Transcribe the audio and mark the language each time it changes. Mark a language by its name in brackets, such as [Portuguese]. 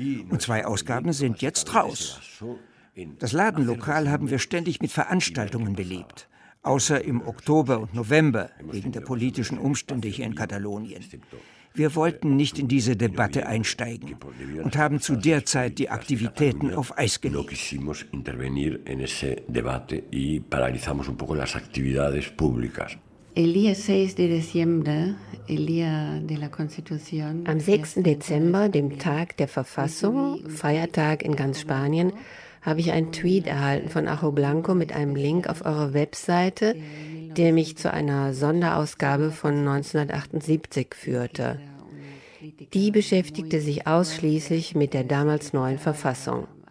[German] Und zwei Ausgaben sind jetzt raus. Das Ladenlokal haben wir ständig mit Veranstaltungen belebt, außer im Oktober und November wegen der politischen Umstände hier in Katalonien. Wir wollten nicht in diese Debatte einsteigen und haben zu der Zeit die Aktivitäten auf Eis gelegt. Wir wollten [Spanish] intervenir en ese debate y paralizamos un poco las actividades públicas. El día 6 de diciembre, el día de la Constitución. [German] Am 6. Dezember, dem Tag der Verfassung, Feiertag in ganz Spanien, habe ich einen Tweet erhalten von Ajo Blanco mit einem Link auf eure Webseite, der mich zu einer Sonderausgabe von 1978 führte. Die beschäftigte sich ausschließlich mit der damals neuen Verfassung.